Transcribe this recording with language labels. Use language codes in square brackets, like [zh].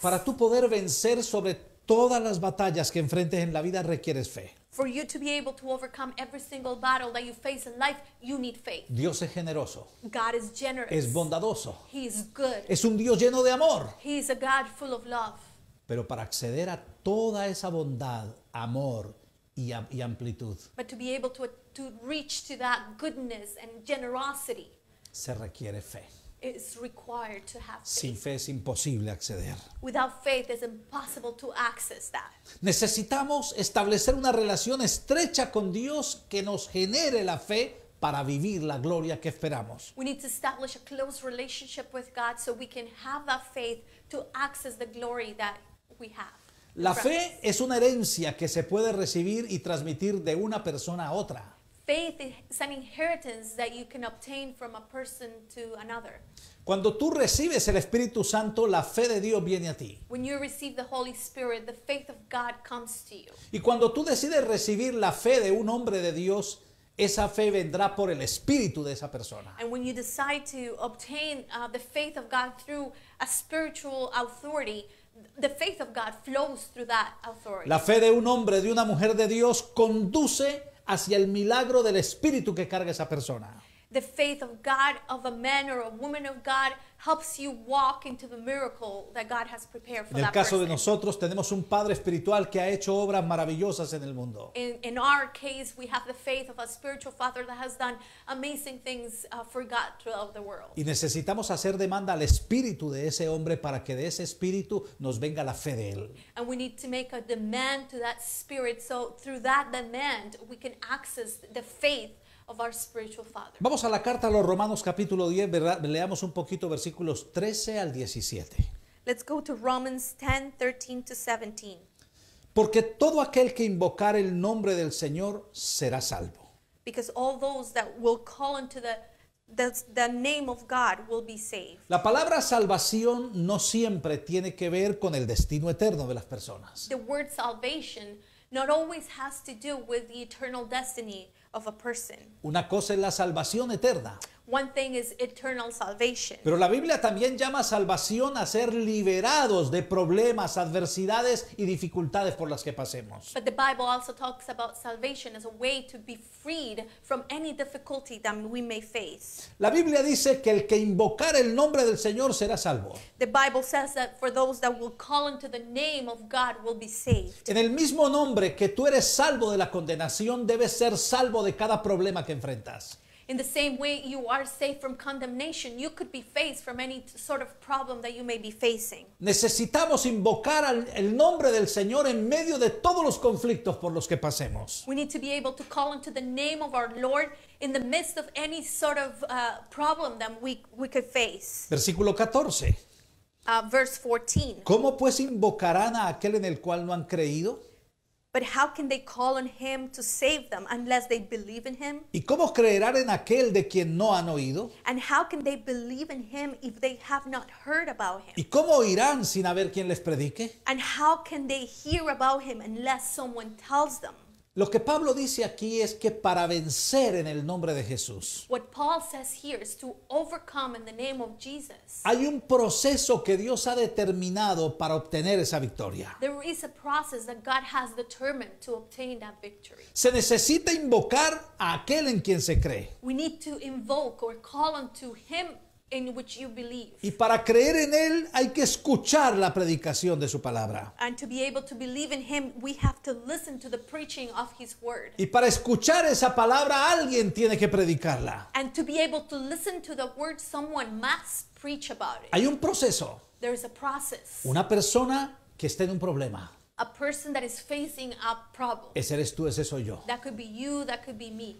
[es] Para tú poder vencer sobre todas las batallas que enfrentes en la vida requieres fe. [en] For you to be able to overcome every single battle that you face in life, you need faith. [es] Dios es generoso. [en] God is generous. [es] Es bondadoso. [en] He is good. [es] Es un Dios lleno de amor. [en] He is a God full of love. [es] Pero para acceder a toda esa bondad, amor y amplitud. [en] But to be able to reach to that goodness and generosity. [es] Se requiere fe. [en] It's required to have faith. [es] Sin fe es imposible acceder. [en] Without faith, it's impossible to access that. [es] Necesitamos establecer una relación estrecha con Dios que nos genere la fe para vivir la gloria que esperamos. [en] We need to establish a close relationship with God so we can have that faith to access the glory that we have. [es] La fe es una herencia que se puede recibir y transmitir de una persona a otra. [en] Faith is an inheritance that you can obtain from a person to another. [es] Cuando tú recibes el Espíritu Santo, la fe de Dios viene a ti. [en] When you receive the Holy Spirit, the faith of God comes to you. [es] Y cuando tú decides recibir la fe de un hombre de Dios, esa fe vendrá por el espíritu de esa persona. [en] And when you decide to obtain the faith of God through a spiritual authority, the faith of God flows through that authority. [es] La fe de un hombre, de una mujer de Dios conduce hacia el milagro del espíritu que carga esa persona. [en] The faith of God, of a man or a woman of God, helps you walk into the miracle that God has prepared for that person. [es] En el caso de nosotros, tenemos un padre espiritual que ha hecho obras maravillosas en el mundo. [en] In our case, we have the faith of a spiritual father that has done amazing things for God throughout the world. [es] Y necesitamos hacer demanda al espíritu de ese hombre para que de ese espíritu nos venga la fe de él. [en] And we need to make a demand to that spirit so through that demand we can access the faith of our spiritual father. [es] Vamos a la carta a los Romanos capítulo 10, ¿verdad? Leamos un poquito versículos 13 al 17. [en] Let's go to Romans 10, 13 to 17. [es] Porque todo aquel que invocar el nombre del Señor será salvo. [en] Because all those that will call into the name of God will be saved. [es] La palabra salvación no siempre tiene que ver con el destino eterno de las personas. [en] The word salvation not always has to do with the eternal destiny of a person. [es] Una cosa es la salvación eterna. [en] One thing is eternal salvation. [es] Pero la Biblia también llama salvación a ser liberados de problemas, adversidades y dificultades por las que pasemos. [en] But the Bible also talks about salvation as a way to be freed from any difficulty that we may face. [es] La Biblia dice que el que invocar el nombre del Señor será salvo. [en] The Bible says that for those that will call into the name of God will be saved. [es] En el mismo nombre que tú eres salvo de la condenación, debes ser salvo de cada problema que enfrentas. [en] In the same way you are safe from condemnation, you could be faced from any sort of problem that you may be facing. [es] Necesitamos invocar el nombre del Señor en medio de todos los conflictos por los que pasemos. [en] We need to be able to call into the name of our Lord in the midst of any sort of problem that we could face. [es] Versículo 14. [en] Verse 14. [es] ¿Cómo pues invocarán a aquel en el cual no han creído? [en] But how can they call on him to save them unless they believe in him? [es] ¿Y cómo creerán en aquel de quien no han oído? [en] And how can they believe in him if they have not heard about him? [es] ¿Y cómo oirán sin haber quien les predique? [en] And how can they hear about him unless someone tells them? [es] Lo que Pablo dice aquí es que para vencer en el nombre de Jesús, [en] what Paul says here is to overcome in the name of Jesus. [es] Hay un proceso que Dios ha determinado para obtener esa victoria. [en] There is a process that God has determined to obtain that victory. [es] Se necesita invocar a aquel en quien se cree. [en] We need to invoke or call unto him in which you believe. [es] Y para creer en él hay que escuchar la predicación de su palabra. [en] And to be able to believe in him, we have to listen to the preaching of his word. [es] Y para escuchar esa palabra alguien tiene que predicarla. [en] And to be able to listen to the word, someone must preach about it. [es] Hay un proceso. [en] There is a process. [es] Una persona que está en un problema. [en] A person that is facing a problem. [es] Ese eres tú, ese soy yo. [en] That could be you, that could be me.